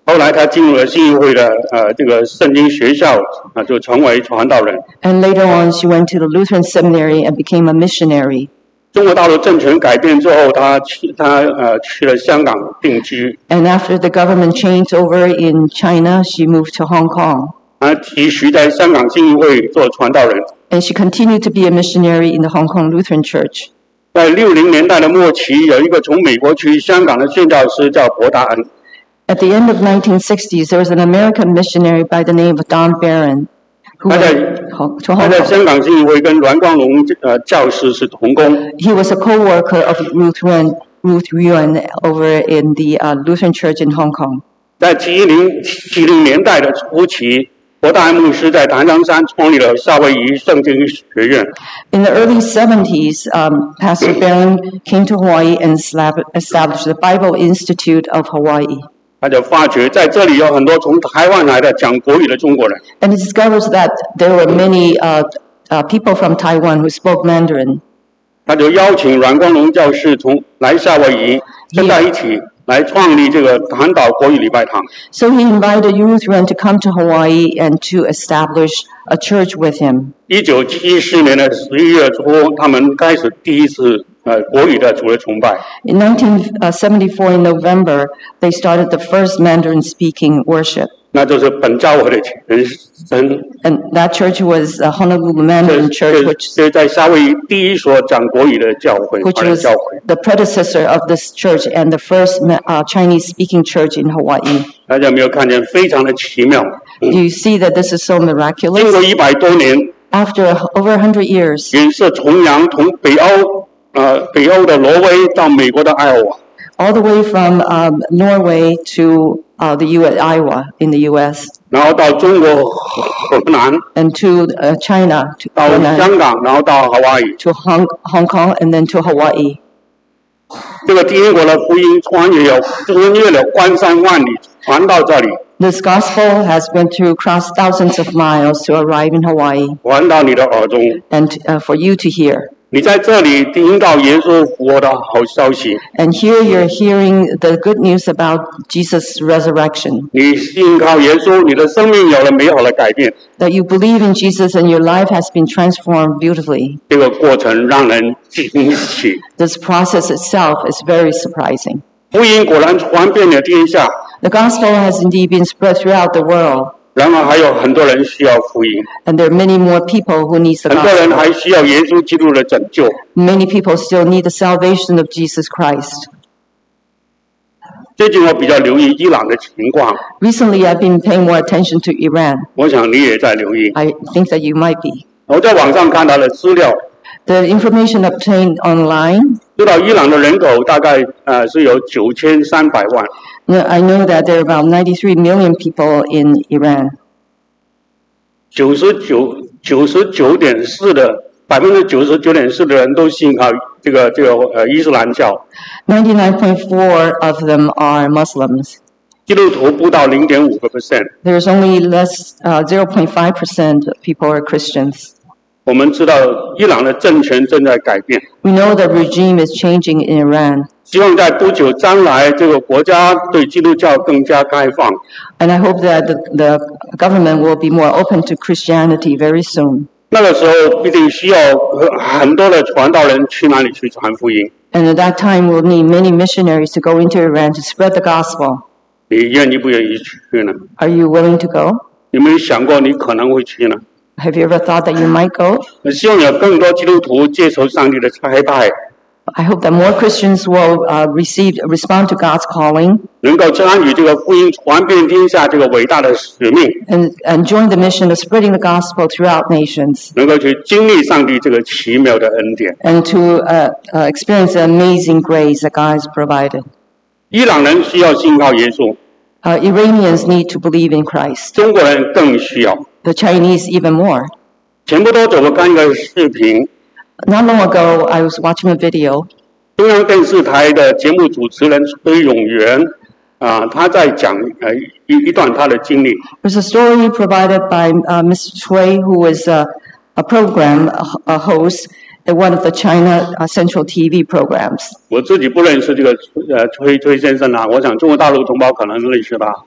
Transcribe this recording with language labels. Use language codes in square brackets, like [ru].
[zh] 后来他进入了信义会的这个圣经学校啊，就成为传道人。 [en] And later on, she went to the Lutheran seminary and became a missionary. [zh] 中国大陆政权改变之后，他去了香港定居。 [en] And after the government changed over in China, she moved to Hong Kong. [zh] 他继续在香港信义会做传道人。 [en] And she continued to be a missionary in the Hong Kong Lutheran Church. [zh] 在60年代的末期，有一个从美国去香港的宣教师叫伯达恩。 [en] At the end of 1960s, there was an American missionary by the name of Don Barron, who 在 [zh] 香港信义会跟阮光荣教师是同工。 [en] He was a co-worker of Ruth Yuan over in the Lutheran Church in Hong Kong. [zh] 在70年代的初期。伯达恩牧师在檀香山创立了夏威夷圣经学院。 [en] In the early 70s, Pastor Barron came to Hawaii and established the Bible Institute of Hawaii. [zh] 他就发觉在这里有很多从台湾来的讲国语的中国人。 [en] And he discovered that there were many people from Taiwan who spoke Mandarin. [zh] 他就邀请阮光荣教士从来夏威夷跟他一起来创立这个韩岛国语礼拜堂。 [en] So he invited a Lutheran to come to Hawaii and to establish a church with him. [zh] 1974年的十一月初，他们开始第一次国语的主日崇拜。 [en] In 1974, in November, they started the first Mandarin-speaking worship. [zh] 那就是本教会的人生。 [en] And that church was a Honolulu Mandarin church, which [zh] is 在夏威夷第一所讲国语的教会。 [en] Which was the predecessor of this church and the first Chinese-speaking church in Hawaii. [zh] 大家有没有看见非常的奇妙？ [en] Do you see that this is so miraculous? [zh] 经过一百多年。 [en] After over 100 years. [zh] 远涉重洋，从北欧。北欧的挪威到美国的爱奥瓦。 [en] All the way from Norway to the U.S. Iowa in the U.S. [zh] 然后到中国河南。 [en] And to China. [zh] 到香港，然后到 Hawaii. [en] To Hong Kong and then to Hawaii. [zh] 这个天国的福音穿越了关山万里，传到这里。 [en] This gospel has been to cross thousands of miles to arrive in Hawaii. [zh] 传到你的耳中。 [en] And for you to hear. [zh] 你在这里听到耶稣复活的好消息。 [en] And here you're hearing the good news about Jesus' resurrection. [zh] 你信靠耶稣，你的生命有了美好的改变。 [en] That you believe in Jesus and your life has been transformed beautifully. [zh] 这个过程让人惊喜。 [en] This process itself is very surprising. [zh] 福音果然传遍了天下。 [en] The gospel has indeed been spread throughout the world. [zh] 然后还有很多人需要福音。 [en] And there are many more people who need the gospel. [zh] 很多人还需要耶稣基督的拯救。 [en] Many people still need the salvation of Jesus Christ. [zh] 最近我比较留意伊朗的情况。 [en] Recently, I've been paying more attention to Iran. [zh] 我想你也在留意。 [en] I think that you might be. [zh] 我在网上看到了资料。 [en] The information obtained online. [zh] 知道伊朗的人口大概是有9300万。 [en] I know that there are about 93 million people in Iran. [zh] 99.4% 的人都信靠伊斯兰教。 [en] 99.4% of them are Muslims. [zh] 基督徒不到0.5%。 [en] There is only less 0.5% of people are Christians. [zh] 我们知道伊朗的政权正在改变。 [en] We know the regime is changing in Iran. [zh] 希望在不久将来，这个国家对基督教更加开放。 [en] And I hope that the government will be more open to Christianity very soon. [zh] 那个时候必定需要很多的传道人去那里去传福音。 [en] And at that time, we'll need many missionaries to go into Iran to spread the gospel. [zh] 你愿意不愿意去呢 [en] ？Are you willing to go？ [zh] 你有没有想过你可能会去呢？ [en] Have you ever thought that you might go？ [zh] 我希望有更多基督徒接受上帝的差派。 [en] I hope that more Christians will respond to God's calling. [zh] 能够参与这个福音传遍天下这个伟大的使命。 [en] And join the mission of spreading the gospel throughout nations. [zh] 能够去经历上帝这个奇妙的恩典。 [en] And to experience the amazing grace that God has provided. [zh] 伊朗人需要信靠耶稣。 [en] Iranians need to believe in Christ. [zh] 中国人更需要。 [en] The Chinese even more. [zh] 前不多久我看一个视频。 [en] Not long ago, I was watching a video. [zh] 中央电视台的节目主持人崔永元，他在讲一段他的经历。 [en] There's a story provided by Mr. Cui, who is a program a host at one of the China Central TV programs. [zh] 我自己不认识这个崔先生啊，我想中国大陆同胞可能认识吧。